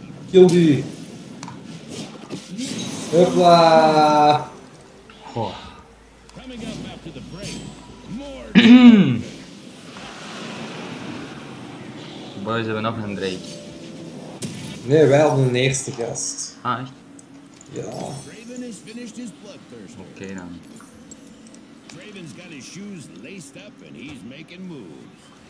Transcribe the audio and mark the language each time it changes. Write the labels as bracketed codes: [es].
[en] Kill D. Hopla. Coming up after the break. More. The boys have another break. [nl] Nee, wij hadden een eerste gast. Ah, echt? Ja. [en] Draven has finished his bloodthirst. Okay, dan. Draven's got his shoes laced up and he's making moves.